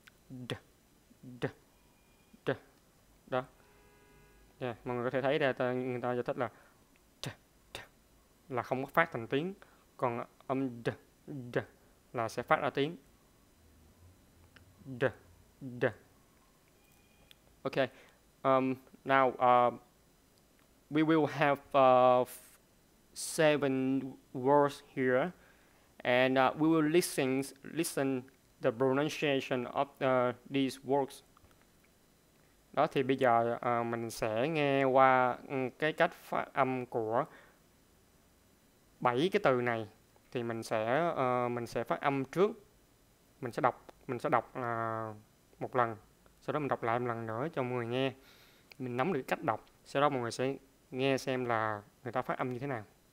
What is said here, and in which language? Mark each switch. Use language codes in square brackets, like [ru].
[vi] D d d. Đó. Yeah, mọi người có thể thấy đây người ta giải thích là t, t, là không có phát thành tiếng. Còn âm d d là sẽ phát ra tiếng d d. [en] Okay. Now we will have 7 words here, and we will listen the pronunciation of these words. [vi] Đó thì bây giờ mình sẽ nghe qua cái cách phát âm của 7 cái từ này, thì mình sẽ phát âm trước, mình sẽ đọc một lần, sau đó mình đọc lại một lần nữa cho mọi người nghe, mình nắm được cách đọc, sau đó mọi người sẽ nghe xem là người ta phát âm như thế nào.